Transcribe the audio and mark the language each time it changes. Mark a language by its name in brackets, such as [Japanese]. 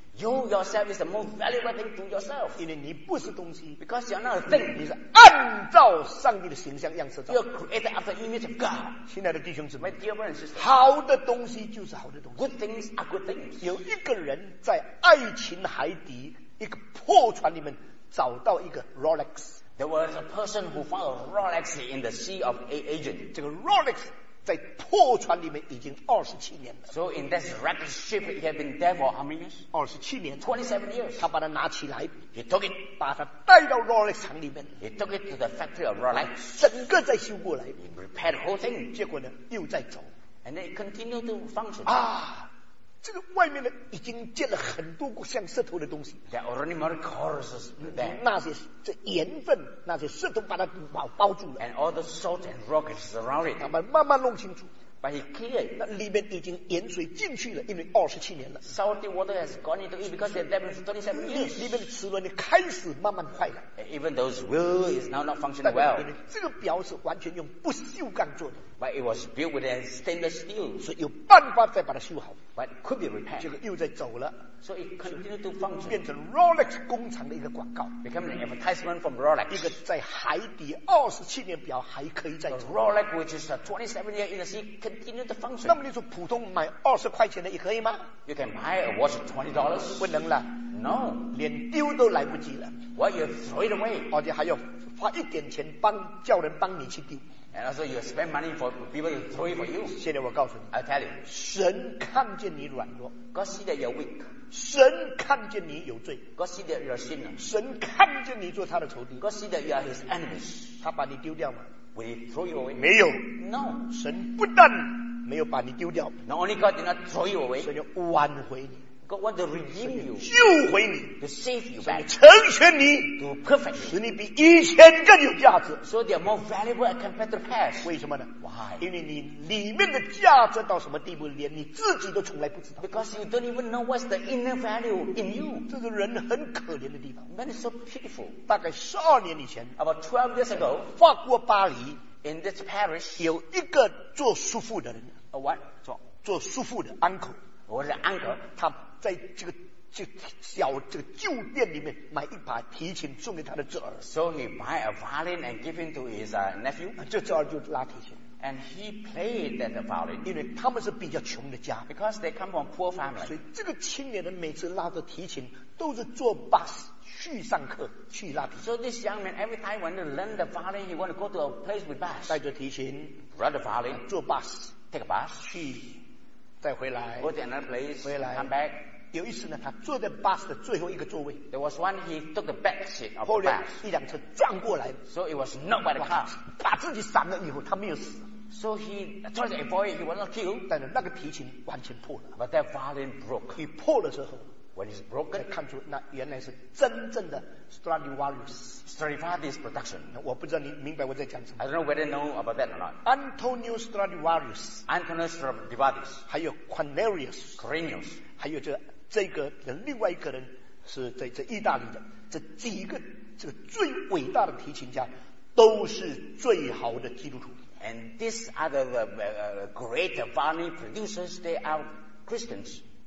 [English] You yourself is the most valuable thing to yourself. [Chinese] 因为你不是东西, [English] because you're not a thing. [Chinese] 你是按照上帝的形象样式造, [English] you're created after the image of God. [Chinese] 亲爱的弟兄姊妹, [English] my dear brothers and sisters, [Chinese] 好的东西就是好的东西, [English] good things are good things. [Chinese] 有一个人在爱琴海底, 一个破船里面, 找到一个 Rolex. [English] There was a person who found a Rolex in the Sea of Agent. [Chinese] 这个 Rolex 在破船里面已经27年了, [English] so in this wrecked ship he had been there for how many years? [Chinese] 27年, [English] 27 years. [Chinese] 他把它拿起来, [English] he took it, [Chinese] 把它带到 Rolex 厂里面, [English] he took it to the factory of Rolex, [Chinese] 整个再修过来, [English] he repaired the whole thing. [Chinese] 结果呢, 又再走, [English] and then it continued to function. [Chinese] 啊, 这个外面呢已经建了很多像石头的东西, [English] there are already more courses there. [Chinese] 那些这盐分, 那些石头把它包住了, [English] and all the salt and rock is around it. [Chinese] 他们慢慢弄清楚, [English] but he cleared. [Chinese] 那里面已经盐水进去了, 因为27年了, [English] salty water has gone into it because they've been 27 years. [Chinese] 里面的齿轮开始慢慢坏了, [English] and even those wheel is now not functioning well. [Chinese] 这个表是完全用不锈钢做的, [English] but it was built with a stainless steel, [Chinese] 所以有办法再把它修好, [English] but could be repaired. [Chinese] 结果又在走了, [English] so it continued to function, [Chinese] 变成 Rolex 工厂的一个广告, [English] became an advertisement from Rolex. [Chinese] 一个在海底27年表还可以再走, [English] the Rolex which is a 27 year in the sea continue to function. [Chinese] 那么你说普通买20块钱的也可以吗? [English] You can buy a watch $20? [Chinese] 不能了, [English] No. [Chinese] 连丢都来不及了。 [English] What, you throw it away? [Chinese] 而且还要花一点钱帮叫人帮你去丢。 [English] And also you spend money for people to throw it for you. [Chinese] 现在我告诉你。 [English] I tell you. [Chinese] 神看见你软弱。 [English] God see that you're weak. [Chinese] 神看见你有罪。 [English] God see that you're sinner. [Chinese] 神看见你做他的仇敌。 [English] God see that you are his enemies. [Chinese] 他把你丢掉吗？ [English] Will he throw you away? [Chinese] 没有。 [English] No. [Chinese] 神不但没有把你丢掉。 [English] Not only God did not throw you away. [Chinese] 神就挽回你。 [English] God wants to redeem you. [Chinese] 救回你。 [English] To save you back. [Chinese] 成全你。 [English] To perfect you. [Chinese] 使你比以前更有价值。 [English] So they are more valuable compared to the past. [Chinese] 为什么呢？ [English] Why? [Chinese] 因为你里面的价值到什么地步，连你自己都从来不知道。 [English] Because you don't even know what's the inner value in you. [Chinese] 这个人很可怜的地方。 [English] Man is so pitiful. [Chinese] 大概12年以前。 [English] About 12 years ago. [Chinese] 法国巴黎。 [English] In this parish. [Chinese] 有一个做叔父的人。 [English] A what? [Chinese] 做叔父的 uncle. 我是 uncle. 他在这个小这个旧店里面买一把提琴送给他的侄儿。 [English] So he buy a violin and give it to his nephew. [Chinese] 这侄儿就拉提琴。 [English] And he played the violin. [Chinese] 因为他们是比较穷的家。 [English] Because they come from poor family. [Chinese] 所以这个青年人每次拉着提琴都是坐 bus 去上课去拉提琴。 [English] So this young man every time when he learn the violin, he want to go to a place with bus. [Chinese] 带着提琴 [English] ，run the violin， [Chinese] 坐 bus， [English] take a bus [Chinese] 去。再回来 [English] go to another place, [Chinese] 回来 [English] come back. [Chinese] 有一次呢他坐在 bus 的最后一个座位 [English] there was one he took the back seat of the bus [Chinese] 后来一辆车撞过来 [English] so it was knocked by the car [Chinese] 把自己闪了以后他没有死 [English] so he tried to avoid he was not killed [Chinese] 但是那个提琴完全破了 [English] but that violin broke [Chinese] 一破了之后 [English] when it's broken [Chinese] 才看出那原来是真正的 Stradivarius [English] Stradivarius production [Chinese] 我不知道你明白我在讲什么 [English] I don't know whether you know about that or not Antonio Stradivarius Antonio Stradivarius [Chinese] 还有 Quirinius Quirinius 还有这个人另外一个人是在这意大利的这几个这个最伟大的提琴家都是最好的基督徒 [English] and these are the great violin producers they are Christians